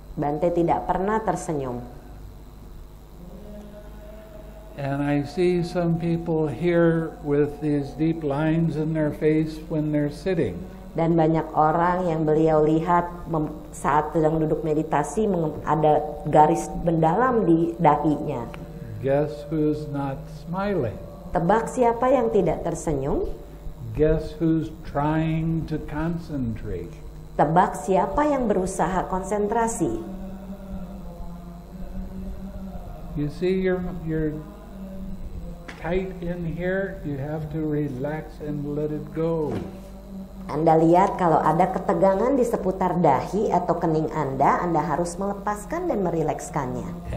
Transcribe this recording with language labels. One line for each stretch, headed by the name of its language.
Indonesian: Bante tidak pernah tersenyum.
English: And I see some people here with these deep lines in their face when they're sitting.
Indonesian: Dan banyak orang yang beliau lihat saat sedang duduk meditasi ada garis mendalam di dahinya.
English: Guess who's not smiling?
Indonesian: Tebak siapa yang tidak tersenyum?
English: Guess who's trying to concentrate?
Indonesian: Tebak siapa yang berusaha konsentrasi?
English: You see, you're tight in here, you have to relax and let it go.
Indonesian: Anda lihat kalau ada ketegangan di seputar dahi atau kening Anda, Anda harus melepaskan dan merilekskannya.